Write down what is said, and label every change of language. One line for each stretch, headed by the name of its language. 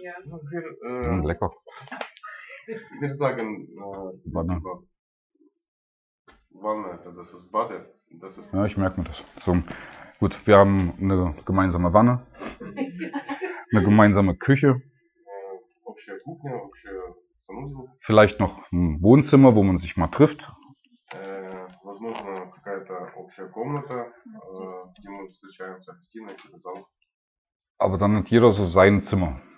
German: Ja. Lecker. Wir sagen, Wanne.
Russian: Ванная, это
German: das ist Bad. Ja, ich merke mir das. So, gut, wir haben eine gemeinsame Wanne, eine gemeinsame Küche.
Russian: вообще кухня, вообще санузел.
German: Vielleicht noch ein Wohnzimmer, wo man sich mal trifft.
Russian: Возможно, какая-то общая комната, где мы встречаемся, гостиная или зал.
German: Aber dann hat jeder so sein Zimmer.